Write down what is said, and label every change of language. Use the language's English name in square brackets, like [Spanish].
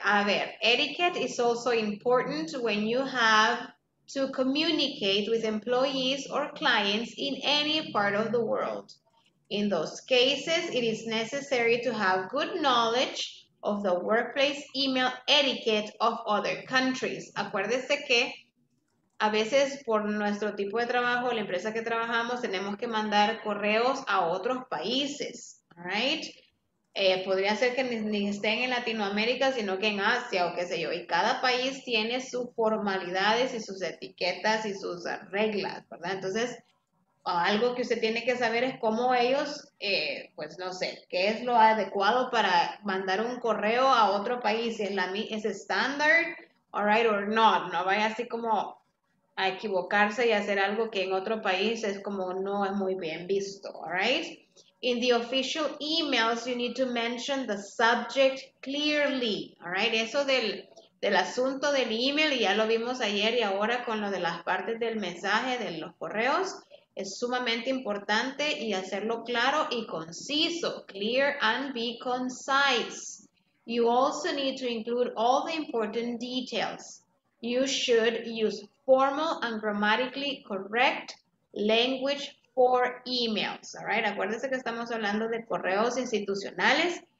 [Spanish] A ver, [English] etiquette is also important when you have to communicate with employees or clients in any part of the world. In those cases, it is necessary to have good knowledge of the workplace email etiquette of other countries. [Spanish] Acuérdese que a veces por nuestro tipo de trabajo, la empresa que trabajamos, tenemos que mandar correos a otros países, [English] right? [Spanish] Podría ser que ni estén en Latinoamérica, sino que en Asia o qué sé yo. Y cada país tiene sus formalidades y sus etiquetas y sus reglas, ¿verdad? Entonces, algo que usted tiene que saber es cómo ellos, pues no sé, qué es lo adecuado para mandar un correo a otro país, si es la es estándar, [English] all right, or not. [Spanish] No vaya así como a equivocarse y hacer algo que en otro país es como no es muy bien visto, [English] all right. In the official emails, you need to mention the subject clearly, all right. [Spanish] Eso del asunto del email, y ya lo vimos ayer y ahora con lo de las partes del mensaje, de los correos, es sumamente importante y hacerlo claro y conciso. [English] Clear and be concise. You also need to include all the important details. You should use formal and grammatically correct language for emails. All right? [Spanish] Acuérdense que estamos hablando de correos institucionales.